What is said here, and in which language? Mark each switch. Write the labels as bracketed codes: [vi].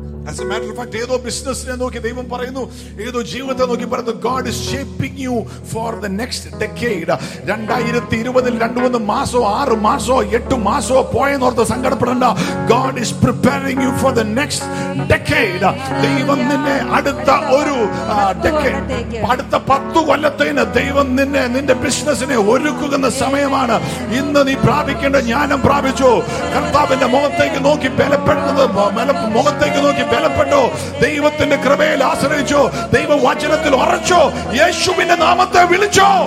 [en] As a matter of fact, [ml] ഏതോ ബിസിനസ്സിനെ നോക്കി ദൈവം പറയുന്നു, ഏതോ ജീവിതത്തെ നോക്കി പറയുന്നു, [en] God is shaping you for the next decade. [ml] 2020 2-3 മാസമോ 6 മാസമോ 8 മാസമോ പോയെന്നോർത്ത് സങ്കടപ്പെടണ്ട. [en] God is preparing you for the next decade. [ml] ദൈവം നിന്നെ അടുത്ത ഒരു അടുത്ത 10 കൊല്ലത്തേന് ദൈവം നിന്നെ നിന്റെ ബിസിനസ്സിനെ ഒരുക്കുന്ന സമയമാണ്. ഇന്ന് നീ പ്രാപിക്കേണ്ട ജ്ഞാനം പ്രാപിച്ചു. കർത്താവിന്റെ മുഖത്തേക്ക് നോക്കി ബലപ്പെടുന്നത് മുഖത്തേക്ക് നോക്കി ദൈവത്തിന്റെ കൃപയിൽ ആശ്രയിച്ചോ, ദൈവ വചനത്തിൽ ഉറച്ചോ, യേശുവിന്റെ നാമത്തെ വിളിച്ചോ.